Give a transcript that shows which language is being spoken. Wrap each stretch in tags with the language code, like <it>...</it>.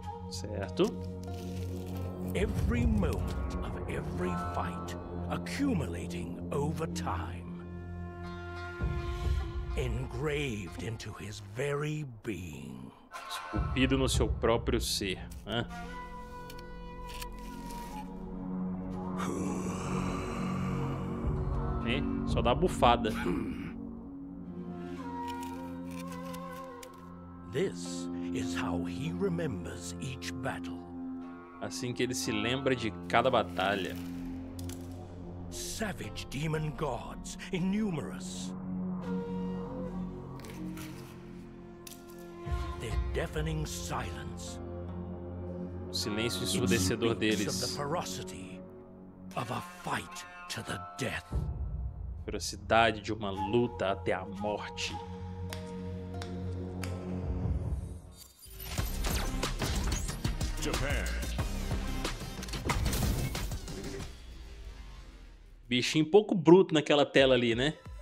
<pt>Certo.</pt> <en>Every moment of every fight accumulating over time. Engraved into his very being.</en> <pt>Esculpido no seu próprio ser, né? É, só dá bufada.</pt> <en>This is how he remembers each battle.</en> <pt>Assim que ele se lembra de cada batalha.</pt> <en>Savage demon gods, innumerous. Their deafening silence.</en> <pt>O silêncio ensurdecedor deles.</pt> <en>It speaks of the ferocity of a fight to the death.</en> <pt>Ferocidade de uma luta até a morte.</pt> <en>Japan.</en> <pt>Bichinho pouco bruto naquela tela ali, né?</pt>